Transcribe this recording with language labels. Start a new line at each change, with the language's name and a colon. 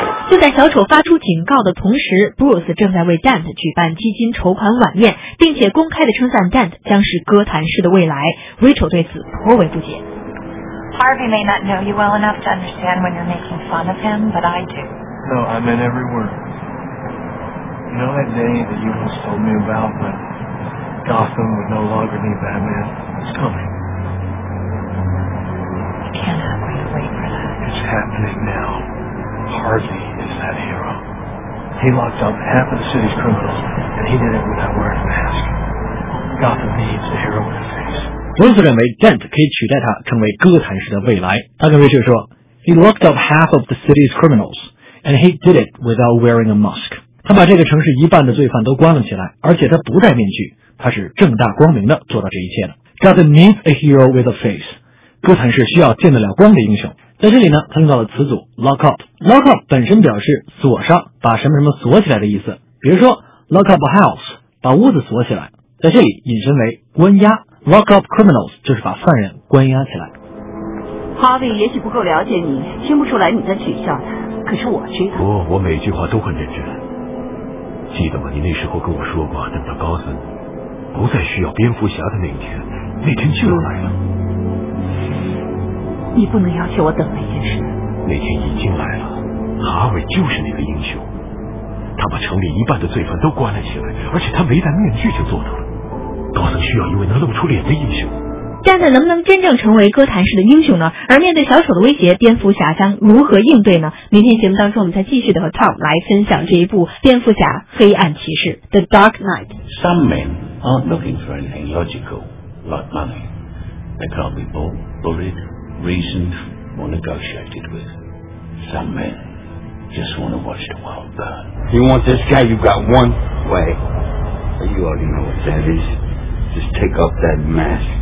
Chinese: 就在小丑发出警告的同时， Bruce 正在为 Dent 举办基金筹款晚宴，并且公开的称赞 Dent 将是哥谭市的未来。 Rachel 对此颇为不解。
English: Harvey may not know you well enough to understand when you're making fun of him, but I do. No, I meant every word. You know that day that you once told me about when Gotham would no longer need Batman? It's coming. I cannot wait for that. It's happening now. Harvey is that hero. He locked up half of the city's criminals, and he did it without wearing a mask. Gotham needs a hero in his face.
Chinese: Bruce 认为 Dent 可以取代他成为哥谭市的未来。
English: 他跟 Rachel 说 He locked up half of the city's criminals, and he did it without wearing a mask.
Chinese: 他把这个城市一半的罪犯都关了起来，而且他不戴面具，他是正大光明的做到这一切的。
English: Gotham needs a hero with a face.
Chinese: 哥谭市需要见得了光的英雄。在这里呢，他用到了词组 lock up。 Lock up 本身表示锁上，把什么什么锁起来的意思。比如说 lock up a house, 把屋子锁起来。在这里引申为关押。 Lock up criminals 就是把犯人关押起来。 Harvey 也许不够了解你，听不出来你在取笑他，可是我知道。我每句话都很认真。记得吗？你那时候跟我说过，等到高森不再需要蝙蝠侠的那一天，那天就要来了。你不能要求我等那件事。那天已经来了，Harvey就是那个英雄，他把城里一半的罪犯都关了起来，而且他没戴面具就做到了。高层需要一位能露出脸的英雄。 Dent能不能真正成为哥谭市的英雄呢？而面对小丑的威胁，蝙蝠侠将如何应对呢？明天节目当中我们再继续的和 Tom 来分享这一部蝙蝠侠黑暗骑士 The Dark Knight.
English: Some men aren't looking for anything logical like money. They can't be bought, bullied, reasoned or negotiated with. Some men just want to watch the world burn. You want this guy, you've got one way. You already know what that isJust take off that mask.